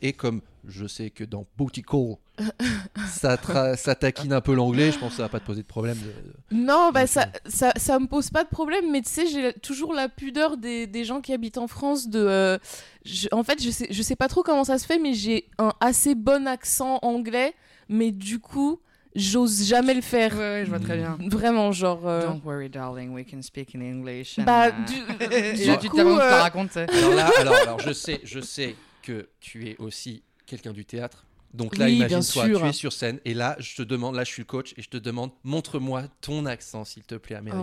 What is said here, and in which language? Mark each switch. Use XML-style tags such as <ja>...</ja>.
<fr>Et comme je sais que dans Booty Call, ça taquine un peu l'anglais, je pense que ça ne va pas te poser de problème. Non, bah, ça ne me pose pas de problème, mais tu sais, j'ai toujours la pudeur des gens qui habitent en France de... En fait, je sais pas trop comment ça se fait, mais j'ai un assez bon accent anglais, mais du coup, j'ose jamais le faire. Ouais, je vois très bien. Vraiment, genre...</fr> <en>Don't worry, darling, we can speak in English.</en> <fr>Du coup, tu te racontes. Alors, je sais que tu es aussi quelqu'un du théâtre. Donc là, oui, imagine-toi, tu es sur scène, et là, je te demande, là, je suis le coach, et je te demande, montre-moi ton accent, s'il te plaît, américain.</fr>